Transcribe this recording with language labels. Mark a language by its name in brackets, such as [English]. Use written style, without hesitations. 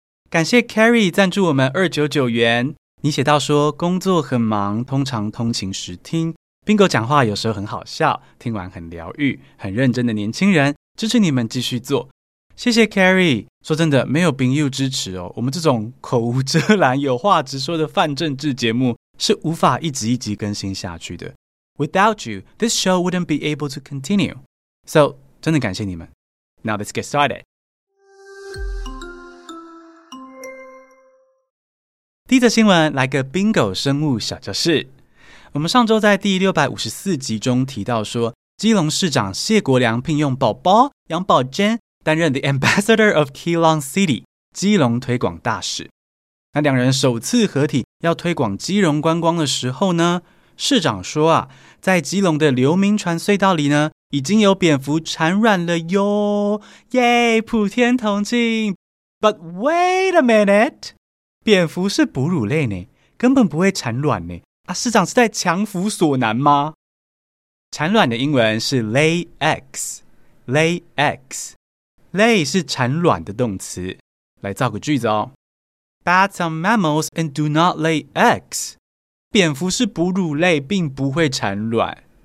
[Chinese] 感谢 Carrie 赞助我们299元。你写到说工作很忙，通常通勤时听 Bingo 讲话，有时候很好笑，听完很疗愈，很认真的年轻人，支持你们继续做。谢谢 Carrie。说真的，没有 Bingo 支持哦，我们这种口无遮拦、有话直说的泛政治节目，是无法一集一集更新下去的。 [English] Without you, this show wouldn't be able to continue. [Chinese] So, 真的感谢你们。 [English] Now let's get started. [Chinese] 第一则新闻，来个 Bingo 生物小教室。我们上周在第654集中提到说，基隆市长谢国良聘用宝宝杨宝娟担任 [English] The Ambassador of Keelong City, [Chinese] 基隆推广大使。那两人首次合体要推广基隆观光的时候呢，市长说啊，在基隆的流民船隧道里呢，已经有蝙蝠产卵了哟，耶，普天同庆。 [English] But wait a minute, [Chinese] 蝙蝠是哺乳类呢，根本不会产卵呢。啊，市长是在强辅所难吗？产卵的英文是 lay eggs, lay eggs, lay 是产卵的动词。来造个句子哦。 [English] Bats are mammals and do not lay eggs. [Chinese] 蝙蝠是哺乳类，并不会产卵。